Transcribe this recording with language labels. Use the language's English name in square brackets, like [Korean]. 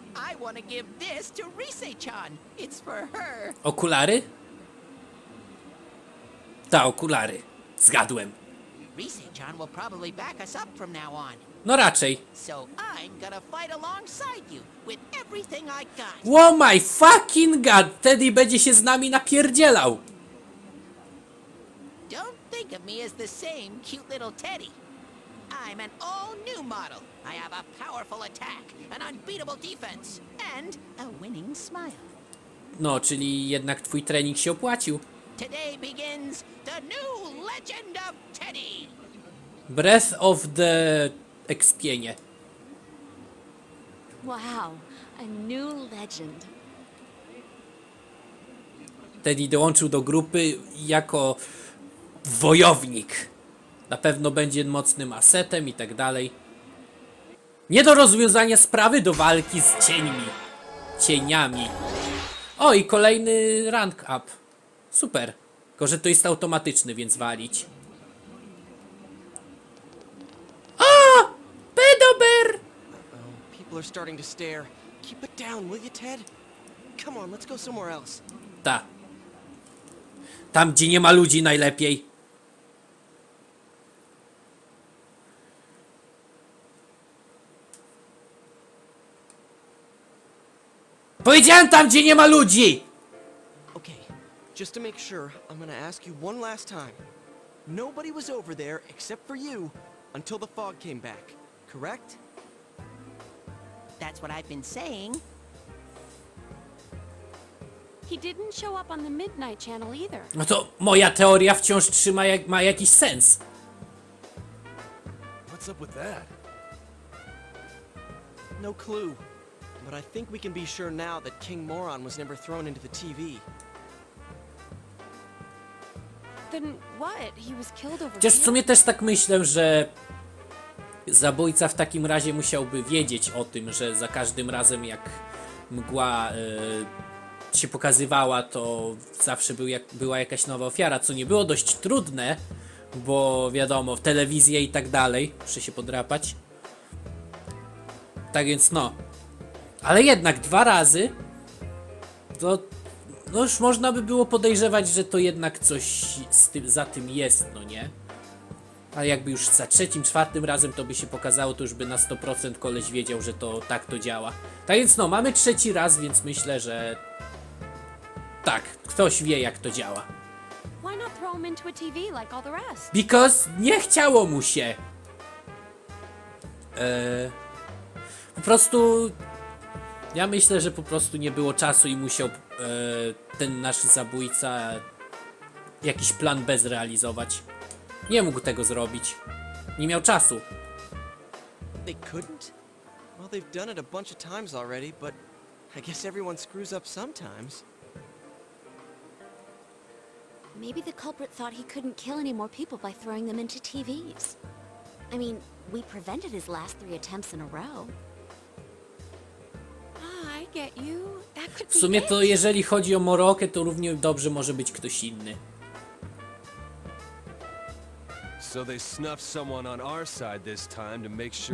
[English] I want to give this to Rise-chan. It's for her. [Polish] Okulary? Ta okulary. Zgadłem. [English] Rise-chan will probably back us up from now on. [Polish] No raczej. [English] So I'm gonna fight alongside you with everything I got. Oh my fucking god! [Polish] Teddy będzie się z nami napierdzielał. [English] Don't think of me as the same cute little Teddy. I'm an all new model. I have a powerful attack, an unbeatable defense, and a winning smile. [Polish] No, czyli jednak twój trening się opłacił. [English] Today begins the new legend of Teddy. Breath of the Expienie. Wow, a new legend. [Polish] Teddy dołączył do grupy jako wojownik. Na pewno będzie mocnym asetem i tak dalej. Nie do rozwiązania sprawy, do walki z cieniami. Cieniami. O, i kolejny rank up. Super. Tylko że to jest automatyczny, więc walić. O! Pedober! [English] People are starting to stare. Keep it down, will you, Ted? Come on, let's go somewhere else. [Polish] Ta. Tam, gdzie nie ma ludzi, najlepiej. Powiedziałem tam, gdzie nie ma ludzi. [English] Okay, just to make sure, I'm gonna ask you one last time. Nobody was over there except for you until the fog came back, correct? that's what I've been saying. He didn't show up on the Midnight Channel either. [Polish] No to moja teoria wciąż trzyma jak ma jakiś sens. [English] What's up with that? No clue. But I think we can be sure now that King Moron was never thrown into the TV. Then what? He was killed over. [Polish] Chociaż w sumie też tak myślę, że zabójca w takim razie musiałby wiedzieć o tym, że za każdym razem jak mgła się pokazywała, to zawsze była jakaś nowa ofiara, co nie było dość trudne, bo wiadomo, w telewizji i tak dalej, muszę się podrapać. Tak więc no. Ale jednak dwa razy, to no już można by było podejrzewać, że to jednak coś z tym, za tym jest, no nie? Ale jakby już za trzecim, czwartym razem to by się pokazało, to już by na 100% koleś wiedział, że to tak to działa. Tak więc no, mamy trzeci raz, więc myślę, że tak, ktoś wie jak to działa. [English] Why not throw him into a TV like all the rest? Because [Polish] nie chciało mu się. Po prostu ja myślę, że po prostu nie było czasu i musiał ten nasz zabójca jakiś plan B zrealizować. Nie mógł tego zrobić. Nie miał czasu. [English] They couldn't? Well, they've done it a bunch of times already, but I guess everyone screws up sometimes. Maybe the culprit thought he couldn't kill any more people by throwing them into TVs. I mean, we prevented his last three attempts in a row. I get you. That could be [Polish] w sumie to jeżeli chodzi o Morokę, to równie dobrze może być ktoś inny. [English] So they snuffed someone on our side this time to make sure.